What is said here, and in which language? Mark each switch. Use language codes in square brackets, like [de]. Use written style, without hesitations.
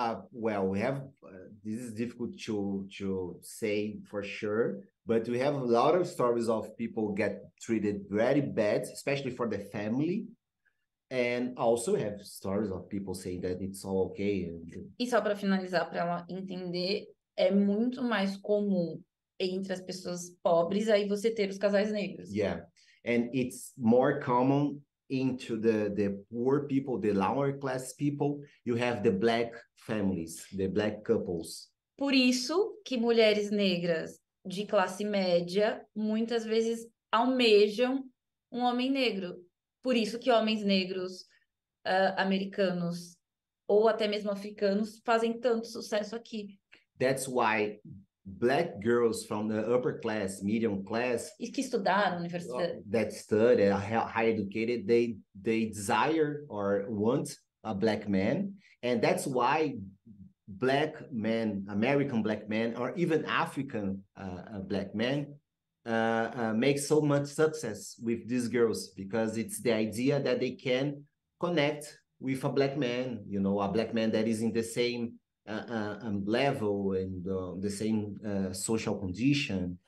[en] Well, we have this is difficult to say for sure, but we have a lot of stories of people get treated very bad, especially for the family. And also have stories of people saying that it's all okay. [pt] E só para finalizar, para ela entender, é muito mais comum entre as pessoas pobres aí você ter os casais negros. [en] Yeah, and it's more common into the poor people, the lower class people, you have the black families, the black couples. [pt] Por isso que mulheres negras de classe média muitas vezes almejam um homem negro. Por isso que homens negros americanos ou até mesmo africanos fazem tanto sucesso aqui. [en] That's why black girls from the upper class, medium class, [pt] e que estudaram na universidade, [en] that study, high educated, they desire or want a black man, and that's why black men, American black men, or even African black men, make so much success with these girls, because it's the idea that they can connect with a black man, you know, a black man that is in the same level and the same social condition.